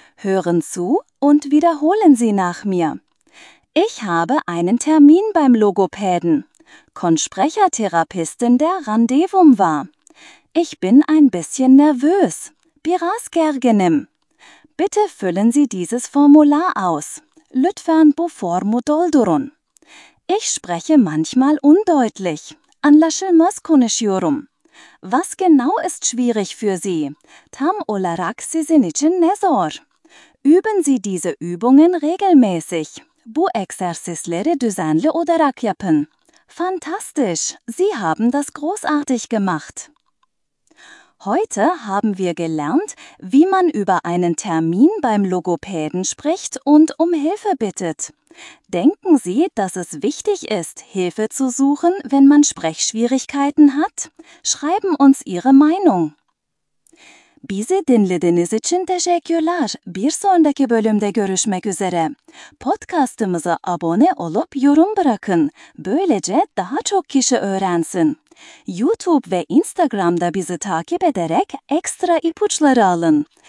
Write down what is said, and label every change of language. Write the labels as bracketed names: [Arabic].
[German] Hören zu und wiederholen Sie nach mir. Ich habe einen Termin beim Logopäden. Konsprechertherapeutin der Rendezvous war. Ich bin ein bisschen nervös. [Turkish] Biraz gergenim. [German] Bitte füllen Sie dieses Formular aus. [Turkish] Lütfen bu formu doldurun. [German] Ich spreche manchmal undeutlich. [Turkish] Anlaşılmaz konuşuyorum. [German] Was genau ist schwierig für Sie? [Turkish] Tam olarak sizin için ne zor? [German] Üben Sie diese Übungen regelmäßig. [Turkish] Bu egzersizleri düzenli olarak yapın. [German] Fantastisch! Sie haben das großartig gemacht. Heute haben wir gelernt, wie man über einen Termin beim Logopäden spricht und um Hilfe bittet. Denken Sie, dass es wichtig ist, Hilfe zu suchen, wenn man Sprechschwierigkeiten hat? Schreiben uns Ihre Meinung. [Turkish] Bizi dinlediğiniz için teşekkürler. Bir sonraki bölümde görüşmek üzere. Podcast'ımıza abone olup yorum bırakın. Böylece daha çok kişi öğrensin. YouTube ve Instagram'da bizi takip ederek ekstra ipuçları alın.